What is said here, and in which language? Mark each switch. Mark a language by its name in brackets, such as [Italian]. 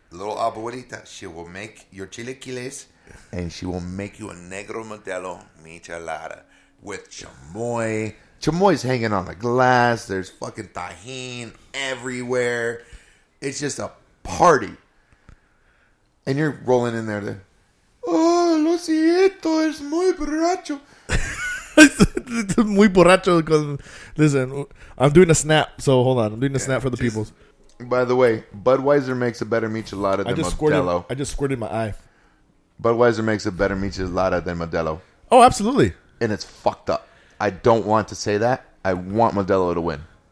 [English] Little abuelita, she will make your chilaquiles, and she will make you a negro modelo michelada with chamoy. Chamoy's hanging on the glass. There's fucking tajin everywhere. It's just a party. And you're rolling in there. [Spanish] Oh, lo siento, es muy borracho. Muy borracho. [English] Listen, I'm doing a snap. So hold on, I'm doing a snap for the peoples. By the way, Budweiser makes a better Michelada than Modelo. I just squirted my eye. Budweiser makes a better Michelada than Modelo. Oh, absolutely. And it's fucked up. I don't want to say that. I want Modelo to win.